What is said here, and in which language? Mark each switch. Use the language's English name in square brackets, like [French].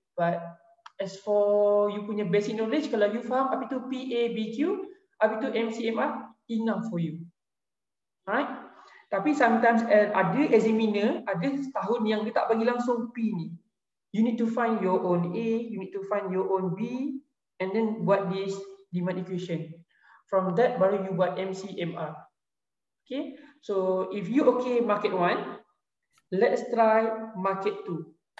[English] But as for you [Malay] punya [English] basic knowledge, [Malay] kalau you faham apa itu PABQ, apa itu MCMR, [English] enough for you. Right? [Malay] Tapi sometimes ada examiner, ada tahun yang dia tak bagi langsung P ni. [English] You need to find your own A, you need to find your own B, and then buat this demand equation. From that, baru you buat MCMR. Okay? So, if you okay market 1, let's try market 2.